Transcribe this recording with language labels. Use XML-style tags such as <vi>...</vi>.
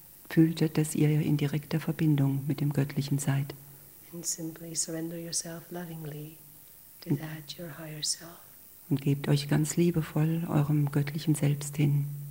<de>Fühlt, dass ihr in direkter Verbindung mit dem Göttlichen seid.</de> <en>And simply surrender yourself lovingly to that, your higher self.</en> <de>Und gebt euch ganz liebevoll eurem göttlichen Selbst hin.</de>